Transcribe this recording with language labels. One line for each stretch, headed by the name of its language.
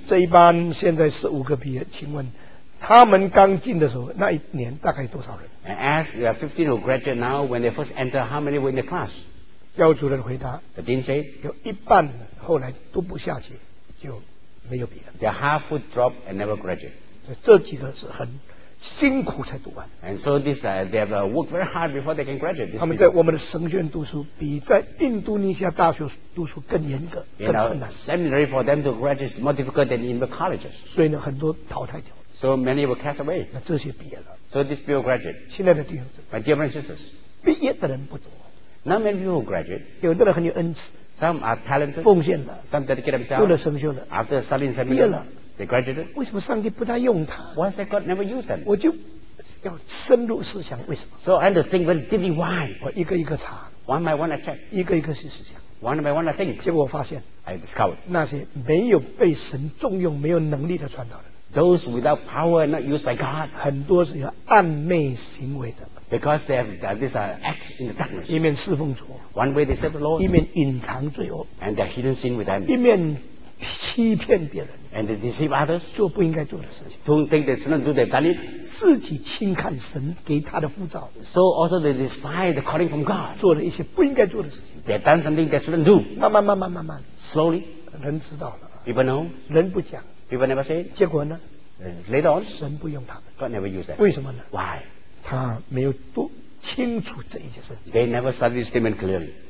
Chinese: 这一班现在15个毕业，请问他们刚进的时候那一年大概多少人
English: ？I asked the 15 who graduate now when they first enter how many were in the class？
Chinese: 教务主任回答
English: ，the dean said，
Chinese: 有一半后来读不下去就。没有毕业
English: They half would drop and never graduate。
Chinese: 这几个是很辛苦才读完。
English: And so this they have worked very hard before they can graduate。
Chinese: 他们在我们的神学院读书比在印度尼西亚大学读书更严格，更困难。
English: You know, seminary for them to graduate is more difficult than in the colleges。
Chinese: 所以呢，很多淘汰掉。
English: So many were cast away。
Chinese: 那这些毕业了。
English: So these people graduate。
Chinese: 亲爱的弟兄姊妹
English: ，My dear sisters，
Chinese: 毕业的人不多。
English: Not many people graduate。
Chinese: 有的人很有恩赐。
English: Some are talented，
Chinese: 奉献的
English: ；some dedicate themselves，
Chinese: 读了神学的
English: ；after studying seminary，
Chinese: 毕业了
English: ，they graduated。
Chinese: 为什么上帝不再用他
English: ？Why did God never use them？
Chinese: 我就要深入思想为什么
English: ？So I had to think very deeply why。
Chinese: 我一个一个查
English: ，one by one I check，
Chinese: 一个一个去思想
English: ，one by one I think。
Chinese: 结果我发现
English: ，I discovered
Chinese: 那些没有被神重用、没有能力的传道人
English: ，those without power and not used by God，
Chinese: 很多是有暗昧行为的。
English: Because they have these are acts in the darkness.
Chinese: 一面侍奉主
English: ，one way they serve the Lord.
Chinese: 一面隐藏罪恶
English: ，and they're hidden sin with them.
Chinese: 一面欺骗别人
English: ，and they deceive others.
Chinese: 做不应该做的事情
English: ，don't think they shouldn't do they've done it.
Chinese: 自己轻看神给他的呼召
English: ，so also they despise the calling from God.
Chinese: 做了一些不应该做的事情
English: ，they've done something they shouldn't do.
Chinese: 慢慢
English: ，slowly.
Chinese: 人知道了
English: ，people know.
Chinese: 人不讲
English: ，people never say.
Chinese: 结果呢
English: ？Later on,
Chinese: 神不用他们
English: ，God never use them.
Chinese: 为什么呢
English: ？Why?
Chinese: 他没有读清楚这一件事。
English: They never studied this statement clearly.